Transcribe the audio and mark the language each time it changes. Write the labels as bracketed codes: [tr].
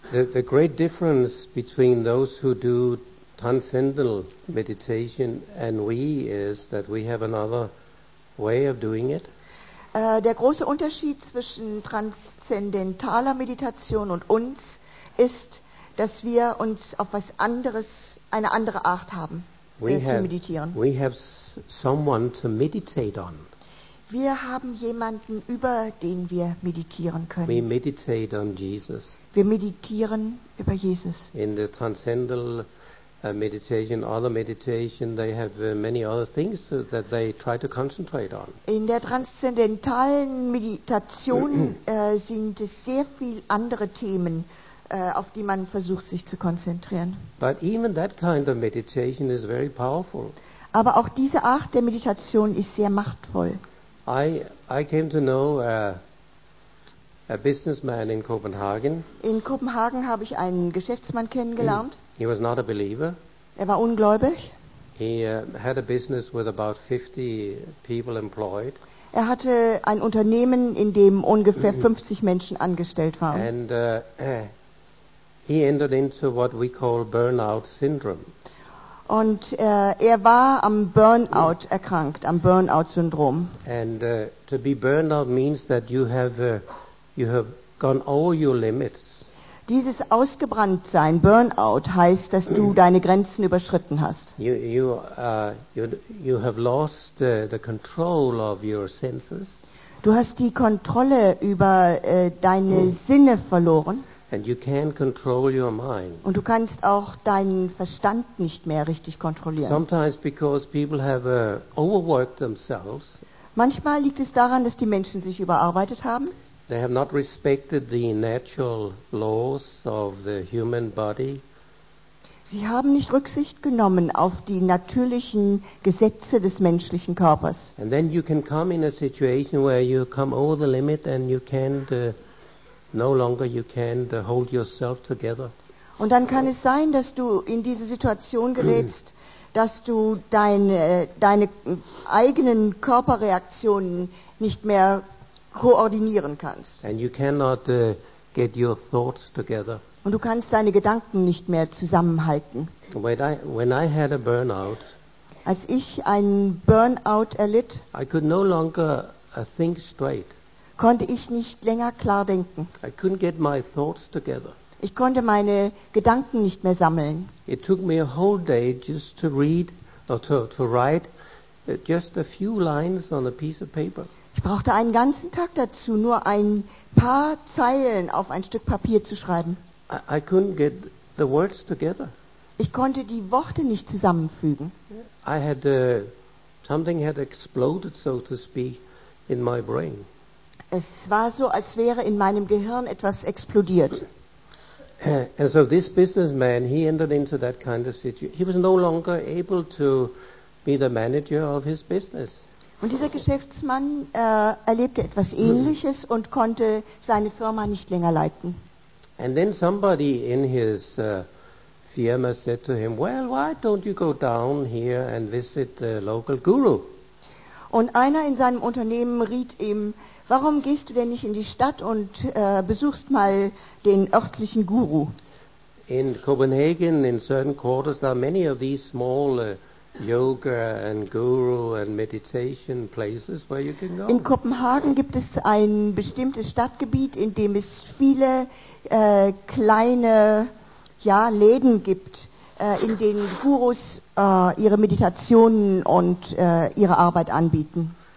[en] The great difference between those who do transcendental meditation and we is that we have another way of doing it. [de] Der große Unterschied zwischen transzendentaler Meditation und uns ist, dass wir uns auf was anderes, eine andere Art haben, zu meditieren. [en] We have someone to meditate on. [de] Wir haben jemanden, über den wir meditieren können. [en] We meditate on Jesus. [de] Wir meditieren über Jesus. [en] In the transcendental meditation, other meditation, they have many other things that they try to concentrate on. [de] In der transzendentalen Meditation sind es sehr viel andere Themen, auf die man versucht, sich zu konzentrieren. [en] But even that kind of meditation is very powerful. [de] Aber auch diese Art der Meditation ist sehr machtvoll. [en] I came to know a businessman in Copenhagen. [de] In Kopenhagen habe ich einen Geschäftsmann kennengelernt. [en] He was not a believer. [de] Er war ungläubig. [en] He had a business with about 50 people employed. [de] Er hatte ein Unternehmen, in dem ungefähr 50 Menschen angestellt waren. [en] And he entered into what we call burnout syndrome. [de] Und er war am Burnout erkrankt, am Burnout-Syndrom. [en] And to be burned out means that you have gone over your limits. [de] Dieses Ausgebranntsein, Burnout, heißt, dass du deine Grenzen überschritten hast. [en] You have lost the control of your senses. [de] Du hast die Kontrolle über deine Sinne verloren. [en] And you can control your mind. [de] Und du kannst auch deinen Verstand nicht mehr richtig kontrollieren. [en] Sometimes because people have overworked themselves. [de] Manchmal liegt es daran, dass die Menschen sich überarbeitet haben. [en] They have not respected the natural laws of the human body. [de] Sie haben nicht Rücksicht genommen auf die natürlichen Gesetze des menschlichen Körpers. [en] And then you can come in a situation where you come over the limit and you can't no longer you can hold yourself together. [de] Und dann kann es sein, dass du in diese Situation gerätst, dass du deine eigenen Körperreaktionen nicht mehr koordinieren kannst. [en] And you cannot get your thoughts together. [de] Und du kannst deine Gedanken nicht mehr zusammenhalten. [en] When I had a burnout, [de] als ich einen Burnout erlitt, [en] I could no longer think straight. [de] Konnte ich nicht länger klar denken. [en] I couldn't get my thoughts together. [de] Ich konnte meine Gedanken nicht mehr sammeln. [en] It took me a whole day just to read or to write just a few lines on a piece of paper. [de] Ich brauchte einen ganzen Tag dazu, nur ein paar Zeilen auf ein Stück Papier zu schreiben. [en] I couldn't get the words together. [de] Ich konnte die Worte nicht zusammenfügen. [en] I had something had exploded, so to speak, in my brain. [de] Es war so, als wäre in meinem Gehirn etwas explodiert. [en] And so this businessman, he entered into that kind of situation. He was no longer able to be the manager of his business. [de] Und dieser Geschäftsmann erlebte etwas Ähnliches und konnte seine Firma nicht länger leiten. [en] And then somebody in his firma said to him, well, why don't you go down here and visit the local guru? [de] Und einer in seinem Unternehmen riet ihm, warum gehst du denn nicht in die Stadt und besuchst mal den örtlichen Guru? [en] In Copenhagen, in certain quarters, there are many of these small yoga and guru and meditation places where you can go. [de] In Kopenhagen gibt es ein bestimmtes Stadtgebiet, in dem es viele kleine Läden gibt, in denen Gurus ihre Meditationen und ihre Arbeit anbieten.